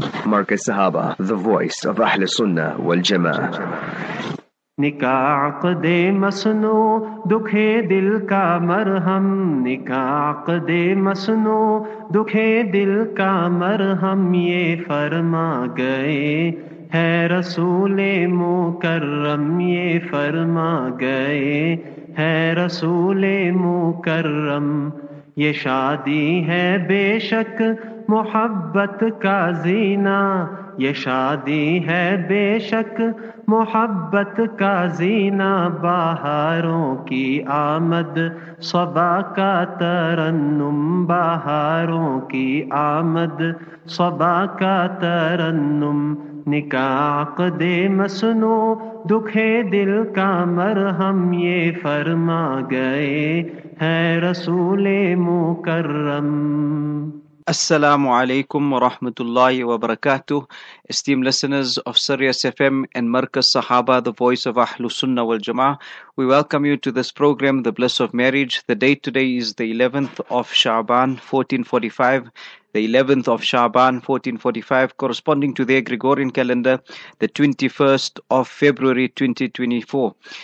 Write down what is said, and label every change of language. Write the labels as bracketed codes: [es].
[ar] مارك السهابة [en] The Voice of [ar] أهل السنة والجماعة [ur] نکاح عقد مسنو دکھے دل کا مرہم نکاح عقد مسنو دکھے دل کا مرہم یہ فرما گئے ہے رسول مکرم یہ فرما گئے ہے رسول مکرم یہ شادی ہے بے شک محبت کا زینہ یہ شادی ہے بے شک محبت کا زینہ بہاروں کی آمد صبا کا ترنم بہاروں کی آمد صبا کا ترنم نکاح عقد مسنو دکھے دل کا مرہم یہ فرما گئے ہے رسول مکرم. [ar] Assalamu alaikum wa rahmatullahi wa barakatuh. [en] Esteemed listeners of Sirius FM and Markaz Sahaba, the voice of Ahlu Sunnah wal Jama'ah, we welcome you to this program, The Bliss of Marriage. The date today is the 11th of Sha'ban, 1445. The 11th of Sha'ban, 1445, corresponding to their Gregorian calendar, the 21st of February, 2024.